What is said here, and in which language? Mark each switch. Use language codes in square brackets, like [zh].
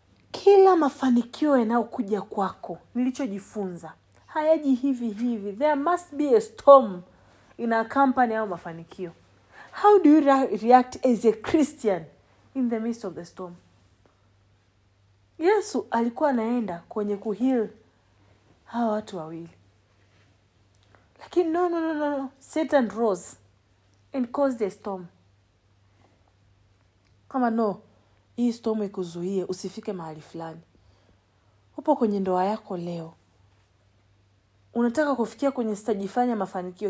[sw] Kila mafanikio yanayokuja kwako, nilichojifunza, hayaji hivi hivi. [en] There must be a storm in a company [sw] au mafanikio. [en] How do you react as a Christian in the midst of the storm? [sw] Yesu alikuwa anaenda kwenye kuheal hawa watu wawili. Lakini no. [en] Satan rose and caused a storm. [sw] Kama no, hii storm ikuzuie usifike mahali fulani. Upo kwenye ndoa yako leo. Unataka kufikia kwenye stajifanya mafanikio.